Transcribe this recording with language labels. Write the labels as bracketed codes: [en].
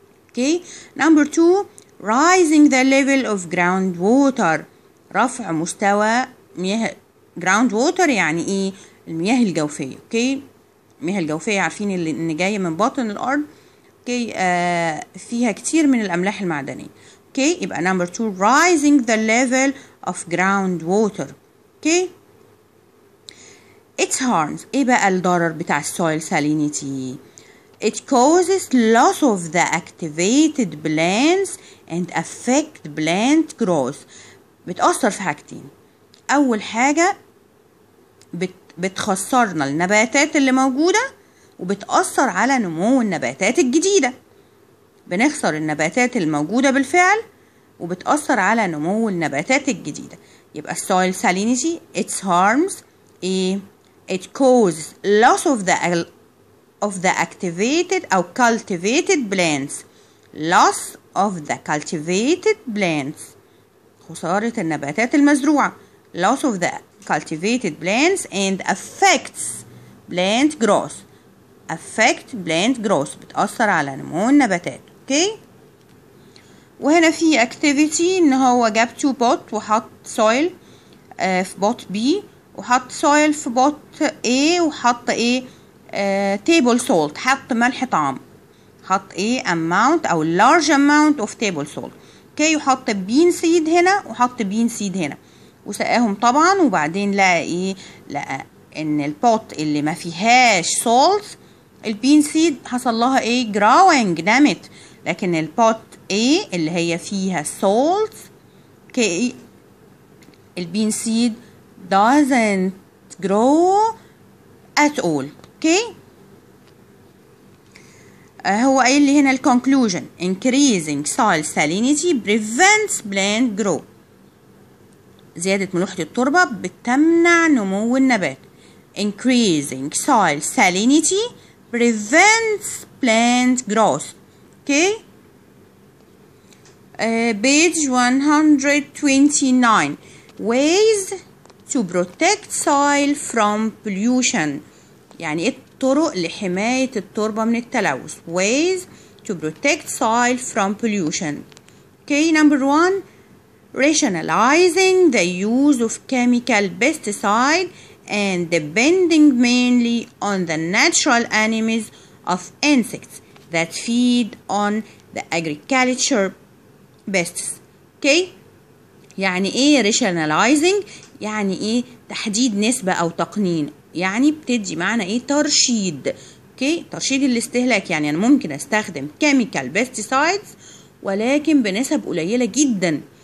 [en] اوكي، نمبر 2 رايزنج ذا ليفل اوف جراوند ووتر، [ar] رفع مستوى مياه [en] Ground water. [ar] يعني ايه؟ المياه الجوفية. اوكي، المياه الجوفية عارفين ان جاية من باطن الارض. [en] okay, [ar] فيها كتير من الاملاح المعدنية. [en] اوكي، يبقى نمبر 2 رايزنج ذا ليفل اوف جراوند ووتر. اوكي، its harms، [ar] ايه بقى الضرر بتاع [en] soil salinity؟ it causes loss of the activated plants and affect plant growth. [ar] بتأثر في حاجتين، اول حاجة بتخسرنا النباتات اللي موجودة، وبتأثر على نمو النباتات الجديدة. بنخسر النباتات الموجودة بالفعل، وبتأثر على نمو النباتات الجديدة. [en] يبقى soil salinity its harms ايه؟ it causes loss of the activated or cultivated plants. loss of the cultivated plants، [ar] خسارة النباتات المزروعة. [en] loss of the cultivated plants and affects plant growth. affect plant growth، [ar] بتأثر على نمو النباتات. اوكي، وهنا في activity ان هو جاب 2 بوت وحط soil في بوت B، وحط سويل في بوت A، وحط ايه؟ تيبل سولت، حط ملح طعام، حط ايه؟ [en] Amount or large amount of table salt. [ar] اوكي، وحط بين سيد هنا، وحط بين سيد هنا، وسقاهم طبعا. وبعدين لقى ايه؟ لقى ان البوت اللي ما فيهاش سولت البين سيد حصل لها ايه؟ جراوينج، نامت. لكن البوت A اللي هي فيها سولت، اوكي، البين سيد [en] doesn't grow at all. [ar] okay، هو قايل لي هنا الconclusion [en] increasing soil salinity prevents plant grow، [ar] زيادة ملوحة التربة بتمنع نمو النبات. [en] increasing soil salinity prevents plant growth. okay، page 129 ways to protect soil from pollution. [ar] يعني ايه الطرق لحماية التربة من التلوث؟ [en] ways to protect soil from pollution. Okay, number one, rationalizing the use of chemical pesticide and depending mainly on the natural enemies of insects that feed on the agriculture pests. [ar] Okay, يعني ايه rationalizing؟ يعني ايه تحديد نسبة او تقنين، يعني بتدي معنى ايه ترشيد. اوكي، ترشيد الاستهلاك، يعني انا ممكن استخدم chemical pesticides ولكن بنسب قليلة جدا.